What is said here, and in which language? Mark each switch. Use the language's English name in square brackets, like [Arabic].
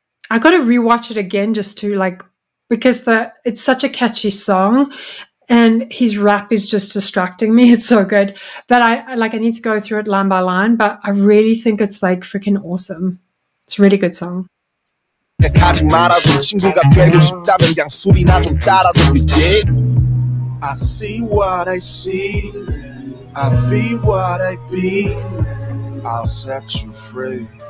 [English] I gotta rewatch it again just to like, because it's such a catchy song, and his rap is just distracting me. It's so good that I need to go through it line by line, but I really think it's like freaking awesome. It's a really good song. [Korean] 가지 말아줘 친구가 되고 싶다면 그냥 술이나 좀 따라도 돼. [English] I see what I see, I be what I be, I'll set you free.